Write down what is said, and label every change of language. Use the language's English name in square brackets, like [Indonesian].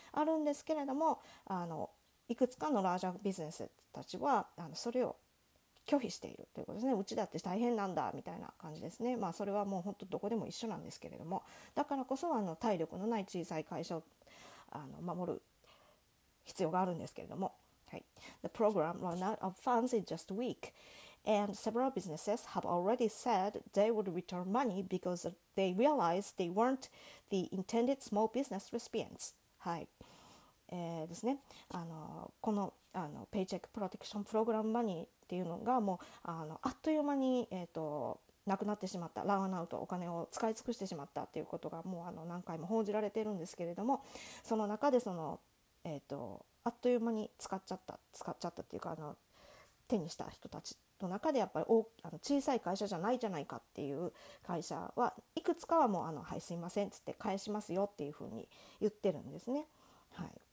[Japanese] あるんですけれども、いくつかのラージャービジネスたちはそれを拒否しているということですね。うちだって大変なんだみたいな感じですね。それはもう本当どこでも一緒なんですけれども、だからこそ体力のない小さい会社を守る必要があるんですけれども、はい。 [English] The program ran out of funds in just a week, and several businesses have already said they would return money because they realized they weren't the intended small business recipients. [Japanese] はい。ですね、このペイチェックプロテクションプログラムマニーっていうのがもうあっという間に、なくなってしまった、ランアウト、お金を使い尽くしてしまったっていうことがもう何回も報じられてるんですけれども、その中でその、あっという間に使っちゃったっていうか手にした人たちの中でやっぱり小さい会社じゃないじゃないかっていう会社はいくつかはもうはい、すいませんっつって返しますよっていうふうに言ってるんですね。はい。